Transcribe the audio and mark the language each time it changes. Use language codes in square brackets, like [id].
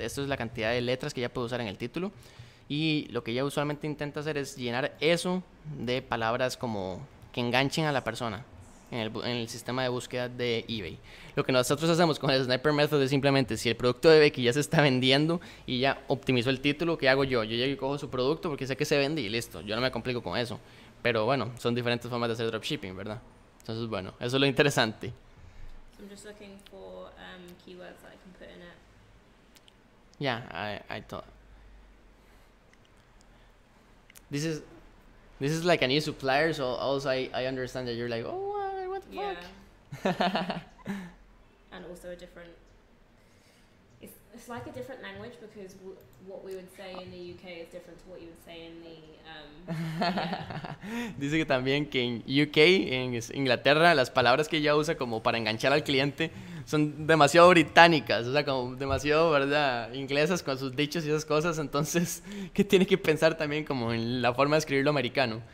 [es] Esto es la cantidad de letras que ya puede usar en el título. Y lo que ella usualmente intenta hacer es llenar eso de palabras como que enganchen a la persona en el sistema de búsqueda de eBay. Lo que nosotros hacemos con el Sniper Method es simplemente, si el producto de Becky ya se está vendiendo y ya optimizó el título, ¿qué hago yo? Yo llego y cojo su producto porque sé que se vende y listo. Yo no me complico con eso. Pero bueno, son diferentes formas de hacer dropshipping, ¿verdad? Entonces, bueno, eso es lo interesante. [en] I'm just looking for keywords that I can put in it. Yeah, I thought. This is like a new supplier, so also I understand that you're like, oh, what the fuck? Yeah. And also a different... It's like a different language because what we would say in the UK is different to what you would say in the... Yeah. [es] Dice que también que en UK, en Inglaterra, las palabras que ella usa como para enganchar al cliente son demasiado británicas, o sea, como demasiado, ¿verdad?, inglesas con sus dichos y esas cosas. Entonces, que tiene que pensar también como en la forma de escribirlo americano.